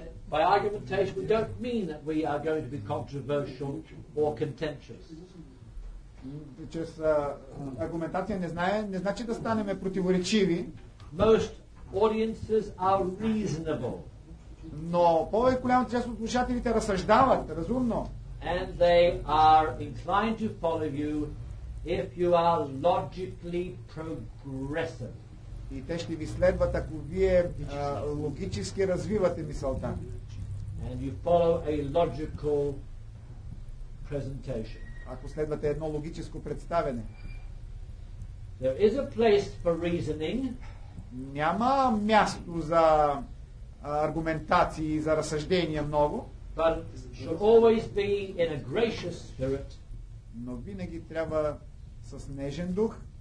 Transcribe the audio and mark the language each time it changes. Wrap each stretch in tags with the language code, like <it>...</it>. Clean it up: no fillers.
<en>By argumentation, we don't mean that we are going to be controversial or contentious.</en> <bg>Чрез аргументация не значи да станем противоречиви.</bg> <en>Most audiences are reasonable.</en> <bg>Но по-голямата част от слушателите разсъждават разумно.</bg> <en>And they are inclined to follow you if you are logically progressive.</en> <bg>И те ще ви следват, ако вие логически развивате мисълта.</bg> <en>And you follow a logical presentation.</en> <bg>Ако следвате едно логическо представене.</bg> <en>There is a place for reasoning.</en> <bg>Няма място за аргументации и за разсъждения много.</bg> <en>But it should always be in a gracious spirit.</en> <bg>Но винаги трябва с нежен дух.</bg>